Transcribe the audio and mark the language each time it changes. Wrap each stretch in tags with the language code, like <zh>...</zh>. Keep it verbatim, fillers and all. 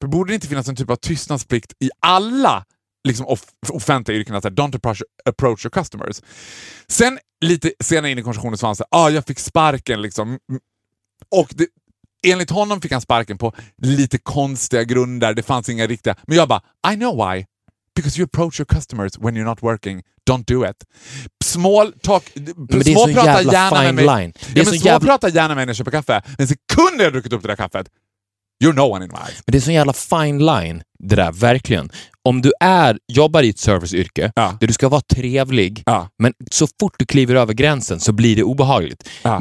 <sv>Borde det inte finnas en typ av tystnadsplikt i alla liksom off- offentliga yrken? Alltså,</sv> <en>don't approach, approach your customers.</en> <sv>Sen lite senare in i konversationen så var han så här, ah, jag fick sparken liksom Och det, enligt honom fick han sparken på lite konstiga grunder. Det fanns inga riktiga. Men jag bara,</sv> <en>I know why. Because you approach your customers when you're not working. Don't do it. Small talk...</en> <sv>Småprata gärna med mig.</sv> <en>Line.</en> <sv>Det är ja, men småprata jävla... gärna med mig när jag köper kaffe. Men sekunder jag druckit upp det där kaffet.</sv> <en>You're no one in my eyes.</en> <sv>Men det är så jävla</sv> <en>fine line.</en> <sv>Det där, verkligen. Om du är, jobbar i ett serviceyrke ja. Där du ska vara trevlig ja. Men så fort du kliver över gränsen så blir det obehagligt. Ja.</sv>